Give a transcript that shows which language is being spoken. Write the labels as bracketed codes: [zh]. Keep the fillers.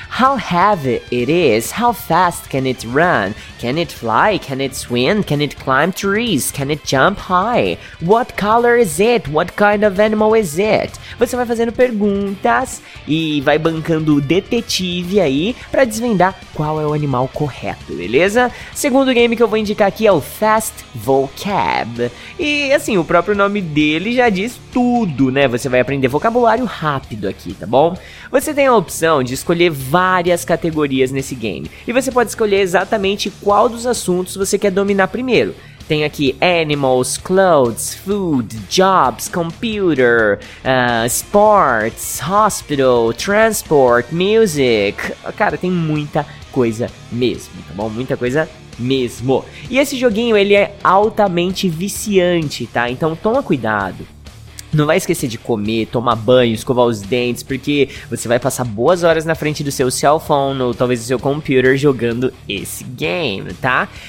[en] How heavy it is, how fast can it run? Can it fly? Can it swim? Can it climb trees? Can it jump high? What color is it? What kind of animal is it? [pt] Você vai fazendo perguntas e vai bancando o detetive aí pra desvendar qual é o animal correto, beleza? Segundo game que eu vou indicar aqui é o Fast Vocab. E assim, o próprio nome dele já diz tudo, né? Você vai aprender vocabulário rápido aqui, tá bom? Você tem a opção de escolher várias categorias nesse game. E você pode escolher exatamente qual dos assuntos você quer dominar primeiro. Tem aqui animals, clothes, food, jobs, computer, ah, sports, hospital, transport, music. Cara, tem muita coisa mesmo, tá bom? Muita coisa mesmo. E esse joguinho ele é altamente viciante, tá? Então toma cuidado. Não vai esquecer de comer, tomar banho, escovar os dentes, porque você vai passar boas horas na frente do seu cell phone ou talvez do seu computer jogando esse game, tá?